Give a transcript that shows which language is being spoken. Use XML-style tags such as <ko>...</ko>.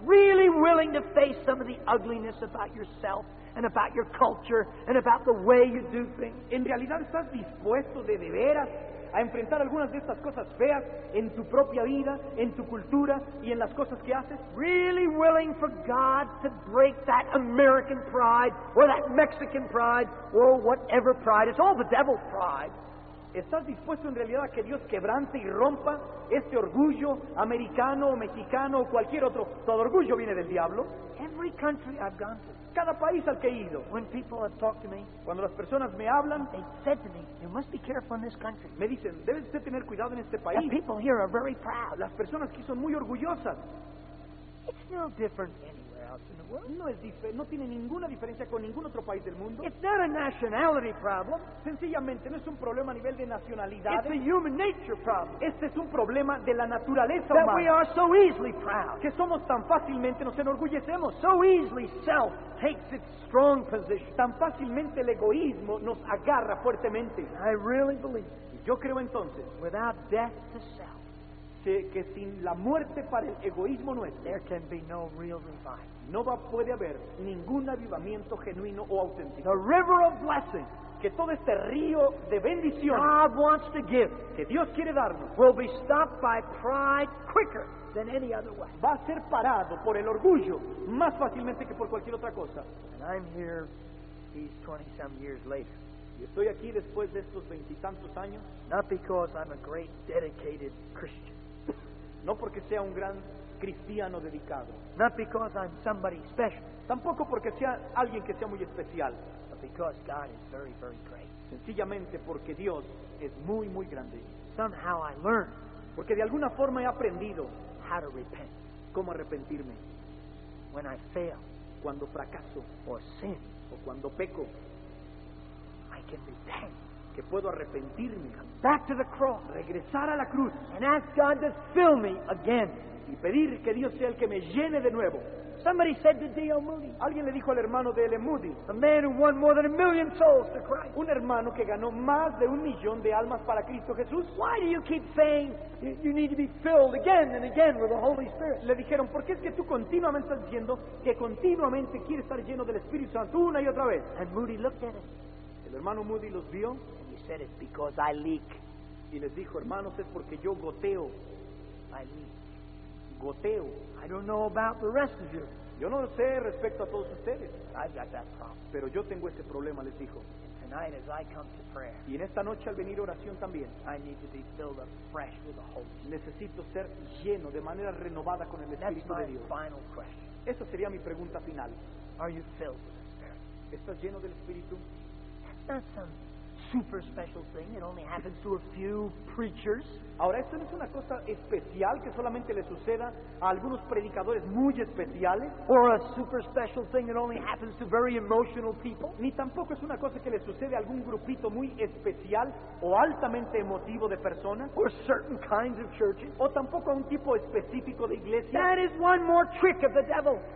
<en>Really willing to face some of the ugliness about yourself and about your culture and about the way you do things.</en> <es>¿En realidad estás dispuesto de veras a enfrentar algunas de estas cosas feas en tu propia vida, en tu cultura y en las cosas que haces?</es> <en>Really willing for God to break that American pride or that Mexican pride or whatever pride. It's all the devil's pride.</en> <es>¿Estás dispuesto en realidad a que Dios quebrante y rompa este orgullo americano o mexicano o cualquier otro? Todo orgullo viene del diablo.</es> <en>Every country I've gone to.</en> <es>Cada país al que he ido.</es> <en>When people have talked to me,</en> <es>cuando las personas me hablan,</es> <en>they said to me, "You must be careful in this country."</en> <es>Me dicen, debes de tener cuidado en este país.</es> <en>The people here are very proud.</en> <es>Las personas aquí son muy orgullosas.</es> <en>It's no different anywhere else in the world.</en> <es>No tiene ninguna diferencia con ningún otro país del mundo.</es> <en>It's not a nationality problem.</en> <es>Sencillamente no es un problema a nivel de nacionalidad.</es> <en>It's a human nature problem.</en> <es>Este es un problema de la naturaleza</es> <en>that</en> <es>humana.</es> <en>We are so easily proud.</en> <es>Que somos tan fácilmente nos enorgullecemos.</es> <en>So easily self takes its strong position.</en> <es>Tan fácilmente el egoísmo nos agarra fuertemente.</es> <en>I really believe.</en> <es>Yo creo entonces.</es> <en>Without death to self.</en> <es>Que sin la muerte para el egoísmo nuestro,</es> <en>there can be no real revival.</en> <es>No va, puede haber ningún avivamiento genuino o auténtico.</es> <en>The river of blessing,</en> <es>que todo este río de bendición,</es> <en>God wants to give,</en> <es>que Dios quiere darnos,</es> <en>will be stopped by pride quicker than any other way.</en> <es>Va a ser parado por el orgullo más fácilmente que por cualquier otra cosa.</es> <en>And I'm here these 20 some years later.</en> <es>Y estoy aquí después de estos 20-tantos años.</es> <en>Not because I'm a great dedicated Christian.</en> <es>No porque sea un gran cristiano dedicado.</es> <en>Not because I'm somebody special.</en> <es>Tampoco porque sea alguien que sea muy especial.</es> <en>But because God is very, very great.</en> <es>Sencillamente porque Dios es muy, muy grande.</es> <en>Somehow I learned.</en> <es>Porque de alguna forma he aprendido.</es> <en>How to repent.</en> <es>Cómo arrepentirme.</es> <en>When I fail.</en> <es>Cuando fracaso.</es> <en>Or sin.</en> <es>O cuando peco.</es> <en>I can repent.</en> <es>Que puedo arrepentirme.</es> <en>Back to the cross.</en> <es>Regresar a la cruz.</es> <en>And ask God to fill me again.</en> <es>Y pedir que Dios sea el que me llene de nuevo.</es> <en>Somebody said to D.L. Moody.</en> <es>Alguien le dijo al hermano de L. Moody.</es> <en>A man who won more than 1 million souls to Christ.</en> <es>Un hermano que ganó más de 1 millón de almas para Cristo Jesús.</es> <en>Why do you keep saying you need to be filled again and again with the Holy Spirit?</en> <es>Le dijeron, ¿por qué es que tú continuamente estás diciendo que continuamente quieres estar lleno del Espíritu Santo una y otra vez?</es> <en>And Moody looked at him.</en> <es>El hermano Moody los vio.</es> <en>Said it because I leak.</en> <es>Y les dijo, hermanos, es porque yo goteo.</es> <en>I leak.</en> <es>Goteo.</es> <en>I don't know about the rest of you.</en> <es>Yo no lo sé respecto a todos ustedes.</es> <en>I got that problem.</en> <es>Pero yo tengo este problema, les dijo.</es> <en>And tonight, as I come to prayer,</en> <es>y en esta noche al venir oración también,</es> <en>I need to be filled afresh with the Holy.</en> <es>Necesito ser lleno de manera renovada con el Espíritu de Dios.</es> <en>Final question.</en> <es>Esa sería mi pregunta final.</es> <en>Are you filled with the Spirit?</en> <es>¿Estás lleno del Espíritu?</es> <en>That's something. Super special thing. It only happens to a few preachers.</en> <es>Ahora, esto no es una cosa especial que solamente le suceda a algunos predicadores muy especiales.</es> <en>Or a super special thing that only happens to very emotional people.</en> <es>Ni tampoco es una cosa que le sucede a algún grupito muy especial o altamente emotivo de personas.</es> <en>Or certain kinds of churches.</en> <es>O tampoco a un tipo específico de iglesia.</es> <en>That is one more trick of the devil.</en>